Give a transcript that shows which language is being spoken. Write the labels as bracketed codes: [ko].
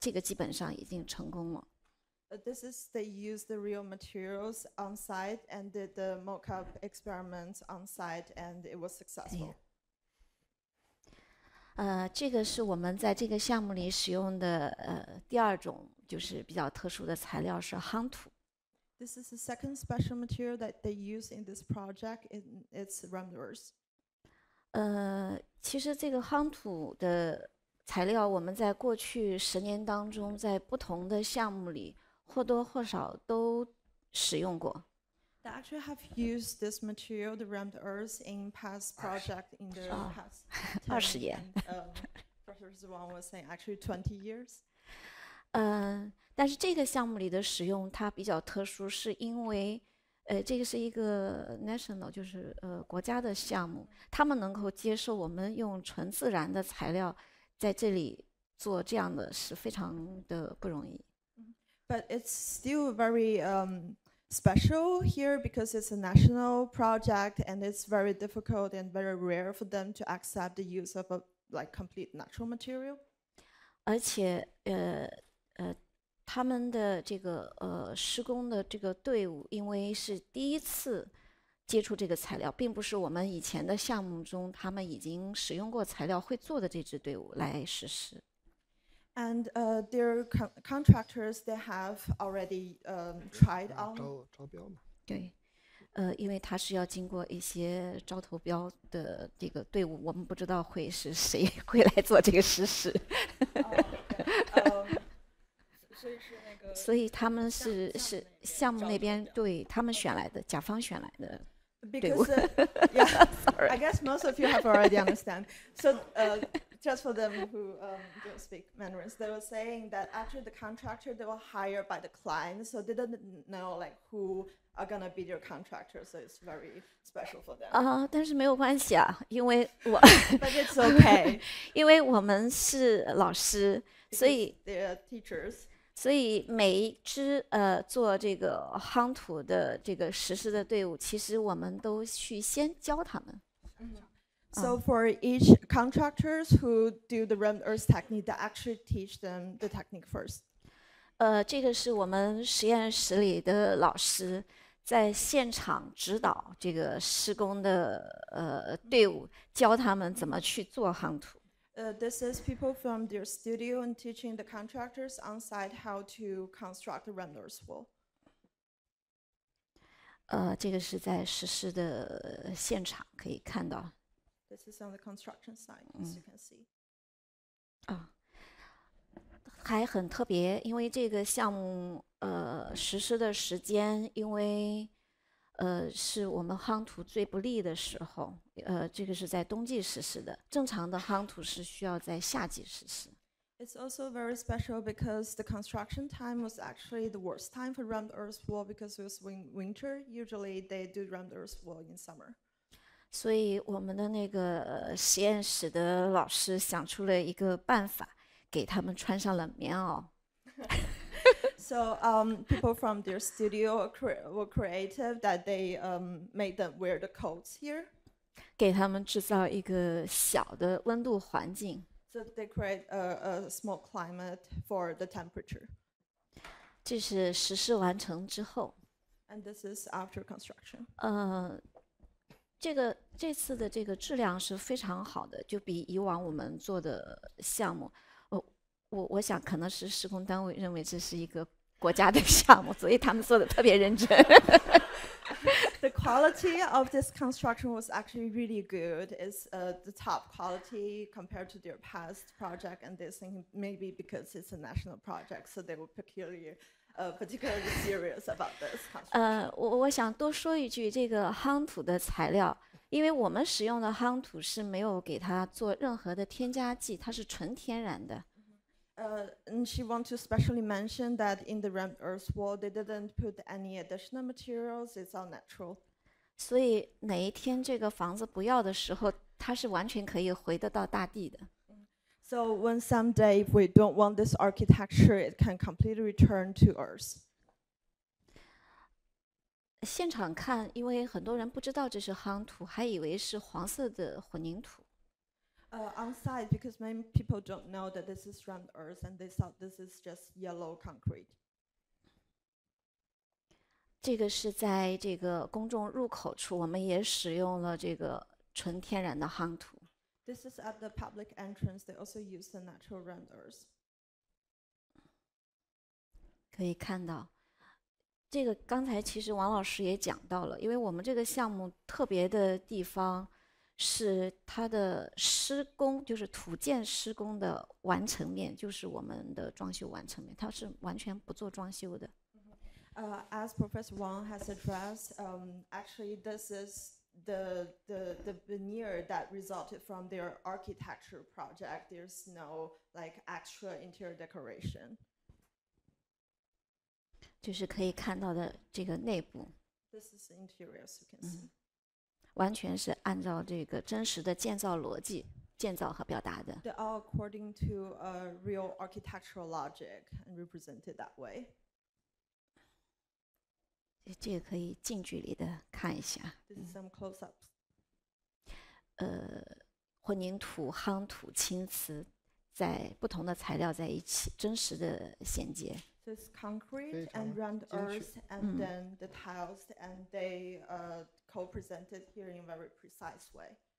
[zh] 这个是我们使用了真的材料在现场做的一比一的实验，这个基本上已经成功了。 [en] This is they use the real materials on site and did the mock-up experiment on site, and it was successful. [zh] 这个是我们在这个项目里使用的第二种就是比较特殊的材料是夯土。 [en] This is the second special material that they use in this project, it's remnants. [zh] 其实这个夯土的材料，我们在过去十年当中，在不同的项目里或多或少都使用过。 [en] They actually have used this material, the ramped earth, in past projects in the past 20 years. Professor Zhuang was saying actually 20 years. [zh] 但是这个项目里的使用它比较特殊，是因为这个是一个 national， 就是国家的项目，他们能够接受我们用纯自然的材料在这里做这样的是非常的不容易。 [en] But it's still very special here because it's a national project and it's very difficult and very rare for them to accept the use of a like complete natural material. [zh] 而且他们的这个施工的这个队伍，因为是第一次接触这个材料，并不是我们以前的项目中他们已经使用过材料会做的这支队伍来实施。 [en] And their contractors they have already tried on. [zh] 招标嘛。对，因为他是要经过一些招投标的这个队伍，我们不知道会是谁会来做这个实施。所以他们是项目那边对他们选来的甲方选来的队伍。 [en] I guess most of you have already understand. So just for them who don't speak Mandarin, they were saying that actually the contractor they were hired by the client, so they didn't know like who are gonna be their contractor. So it's very special for them. [zh] 但是没有关系啊，因为我。 [en] But it's okay. [zh] 因为我们是老师，所以。 [en] They're teachers. [zh] 所以每一支做这个夯土的这个实施的队伍，其实我们都去先教他们。 [en] So for each contractors who do the ramped earth technique, they actually teach them the technique first. [zh] 这个是我们实验室里的老师在现场指导这个施工的队伍，教他们怎么去做夯土。 [en] This is people from their studio and teaching the contractors on site how to construct the renders wall. [zh] 这个是在实施的现场可以看到。 [en] This is on the construction site, as you can see. [zh] 还很特别，因为这个项目实施的时间，因为是我们夯土最不利的时候，这个是在冬季实施的。正常的夯土是需要在夏季实施。 [en] It's also very special because the construction time was actually the worst time for ramped earth wall because it was winter. Usually they do ramped earth wall in summer. [zh] 所以我们的那个实验室的老师想出了一个办法，给他们穿上了棉袄。 [en] So people from their studio were creative that they made them wear the coats here. [zh] 给他们制造一个小的温度环境。 [en] So they create a small climate for the temperature. [zh] 这是实施完成之后。 [en] And this is after construction. [zh] 这次的这个质量是非常好的，就比以往我们做的项目。我想可能是施工单位认为这是一个国家的项目，所以他们做的特别认真。 [en] The quality of this construction was actually really good. It's the top quality compared to their past project, and they think maybe because it's a national project, so they were particularly serious about this construction. [zh] 我想多说一句，这个夯土的材料，因为我们使用的夯土是没有给它做任何的添加剂，它是纯天然的。 [en] And she wants to specially mention that in the ramped earth wall, they didn't put any additional materials. It's all natural. [zh] 所以哪一天这个房子不要的时候，它是完全可以回得到大地的。 [en] So when someday if we don't want this architecture, it can completely return to earth. [zh] 现场看，因为很多人不知道这是夯土，还以为是黄色的混凝土。 [en] On site, because many people don't know that this is ramped earth, and they thought this is just yellow concrete. [zh] 这个是在这个公众入口处，我们也使用了这个纯天然的夯土。 [en] This is at the public entrance. They also use the natural ramped earth. [zh] 可以看到，这个刚才其实王老师也讲到了，因为我们这个项目特别的地方是它的施工，就是土建施工的完成面，就是我们的装修完成面，它是完全不做装修的。 [en] As Professor Wang has addressed, actually this is the veneer that resulted from their architecture project. There's no like extra interior decoration. [zh] 就是可以看到的这个内部。 [en] This is the interior, as you can see. [zh] 完全是按照这个真实的建造逻辑建造和表达的。 [en] They are according to a real architectural logic and represented that way. [zh] 这个可以近距离的看一下。 [en] This is some close-ups. [zh] 混凝土、夯土、青瓷在不同的材料在一起，真实的衔接。 [en] So it's concrete and round earth, and then the tiles, and they co-presented here in a very precise way.